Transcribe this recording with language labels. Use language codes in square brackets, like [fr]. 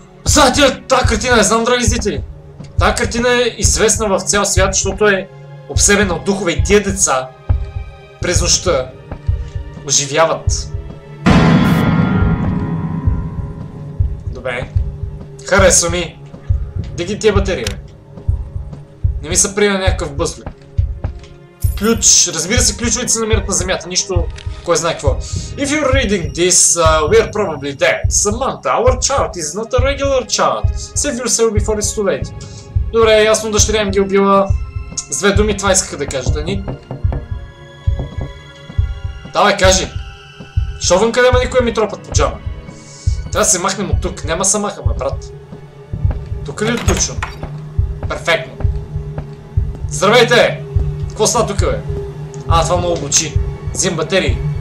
[bg] Знаете ли, тази картина е, знам, драги зрители. Тази картина е известна в цял свят, защото е обсебена от духове и тия деца през нощта оживяват. Добре. Харесва ми. Дай ги тия батерия, бе. Не ми се приема някакъв бъзле. Ключ. Разбира се, ключовете се намират на земята. Нищо, кой знае какво. [en] If you're reading this, we are probably dead. Samantha, our child is not a regular child. Save yourself before it's too late. [bg] Добре, ясно, дъщеря ми ги убила. С две думи това искаха да кажа, Дани. Давай, кажи. Що вънка няма никой ми тропат по джама? Трябва да се махнем от тук. Няма се махаме, брат. Тук ли отключвам? Перфектно. Здравейте! Кво става тук, бе? А, това много лучи. Взим батерии.